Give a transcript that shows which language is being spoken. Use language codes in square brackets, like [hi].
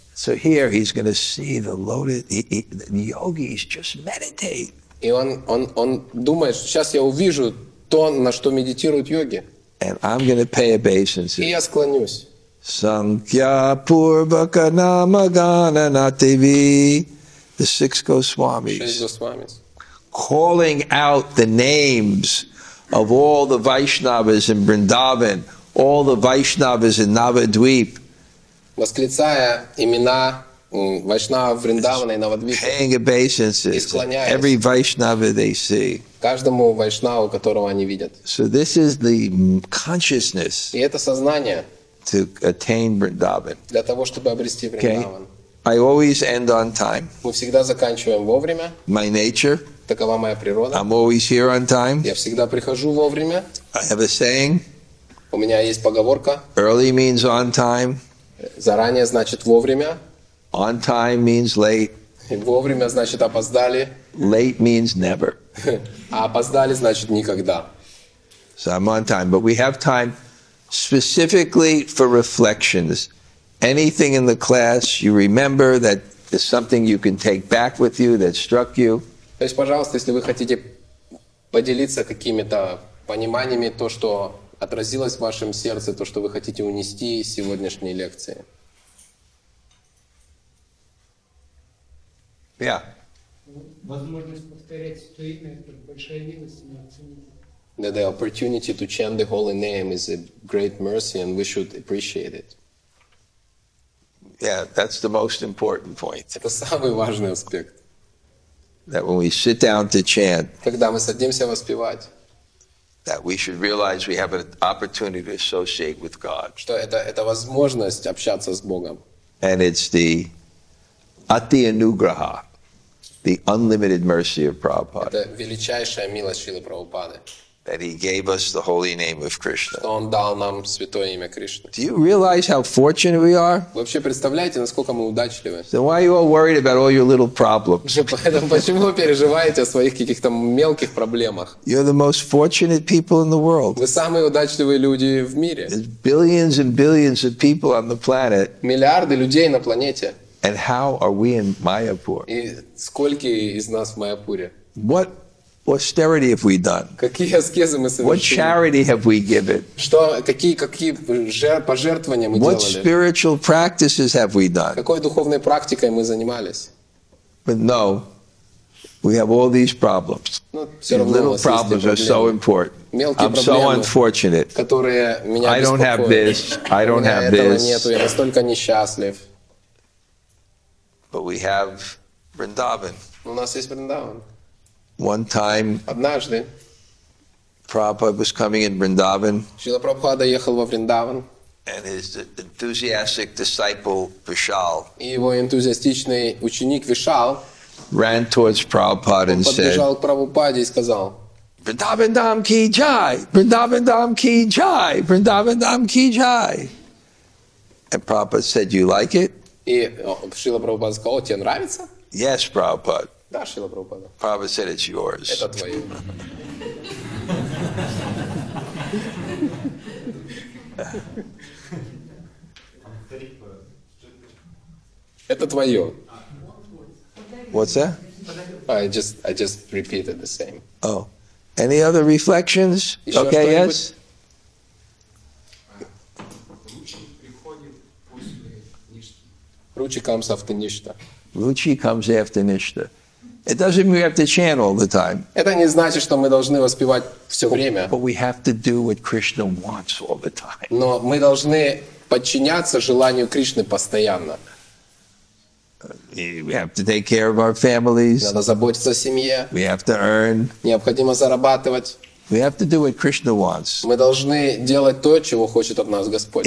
[en] So here he's going to see the lotus. The yogis just meditate. [ru] И он думает, что сейчас я увижу то, на что медитируют йоги. [en] And I'm going to pay obeisance. [ru] И я склонюсь. [en] Sankhya Purvaka Namagana Natevi, the six Goswamis, calling out the names of all the Vaishnavas in Vrindavan, all the Vaishnavas in Navadvip, paying obeisances to every Vaishnava they see. [ru] Каждому Вайшнаву, которого они видят. [en] So this is the consciousness. [ru] И это сознание. [en] To attain Vrindavan. [ru] Для того, чтобы обрести Vrindavan. [en] Okay. I always end on time. [ru] Мы всегда заканчиваем вовремя. [en] My nature. [ru] Такова моя природа. [en] I'm always here on time. [ru] Я всегда прихожу вовремя. [en] I have a saying. [ru] У меня есть поговорка. [en] Early means on time. [ru] Заранее значит вовремя. [en] On time means late. [ru] Вовремя значит опоздали. [en] Late means never. [ru] А опоздали значит никогда. [en] So I'm on time, but we have time. Specifically for reflections, anything in the class you remember that is something you can take back with you that struck you. [ru] То есть, пожалуйста, если вы хотите поделиться какими-то пониманиями, то что отразилось в вашем сердце, то что вы хотите унести из сегодняшней лекции. [en] Yeah. [ru] Возможность повторять то имя, это большая милость, не оценить. [en] That the opportunity to chant the holy name is a great mercy, and we should appreciate it. Yeah, that's the most important point. [ru] Это самый важный аспект. [en] That when we sit down to chant, [ru] когда мы садимся воспевать, [en] that we should realize we have an opportunity to associate with God. [ru] Что это возможность общаться с Богом. [en] And it's the ati anugraha, the unlimited mercy of Prabhupada. [ru] Это величайшая милость Шрилы Прабхупады. [en] That he gave us the holy name of Krishna. [ru] Что он дал нам святое имя Кришна. [en] Do you realize how fortunate we are? [ru] Вы вообще представляете, насколько мы удачливы? [en] Then why are you all worried about all your little problems? [ru] Поэтому почему вы переживаете о своих каких-то мелких проблемах? [en] You're the most fortunate people in the world. [ru] Вы самые удачливые люди в мире. [en] There's billions and billions of people on the planet. [ru] Миллиарды людей на планете. [en] And how are we in Mayapur? [ru] И сколько из нас в Майяпуре? [en] What austerity have we done? [ru] Какие аскезы мы совершили? [en] What charity have we given? [ru] Что, какие пожертвования мы делали? [en] What spiritual practices have we done? [ru] Какой духовной практикой мы занимались? [en] But no, we have all these problems. Little problems are so important. I'm so unfortunate. [ru] Которые меня [en] I don't have this. I don't have this. [ru] Нету, я настолько несчастлив. [en] But we have Vrindavan. [ru] У нас есть Vrindavan. [en] One time, [ru] однажды, [en] Prabhupada was coming in Vrindavan, [ru] Шрила Прабхупада ехал во Вриндаван, [en] and his enthusiastic disciple Vishal, [ru] и его энтузиастичный ученик Вишал, [en] ran towards Prabhupada and said, [ru] подбежал к Прабхупаде и сказал, [hi] Vrindavan Dham Ki Jai, [en] Vrindavan Dham Ki Jai, Vrindavan Dham Ki Jai, and Prabhupada said, you like it? [ru] И Шрила Прабхупада сказал, о, тебе нравится? [en] Yes, Prabhupada. [ru] Да, Шрила Прабхупада. [en] Prabhupada said it's yours. [ru] Это твое. Это твое. [en] What's that? I just repeated the same. Oh. Any other reflections? [ru] Еще [en] okay, yes. Ручи comes after ништа. Ручи comes after ништа. It doesn't mean we have to chant all the time. [ru] Это не значит, что мы должны воспевать все время. [en] But we have to do what Krishna wants all the time. [ru] Но мы должны подчиняться желанию Кришны постоянно. [en] We have to take care of our families. [ru] Надо заботиться о семье. [en] We have to earn. [ru] Необходимо зарабатывать. [en] We have to do what Krishna wants. [ru] Мы должны делать то, чего хочет от нас Господь.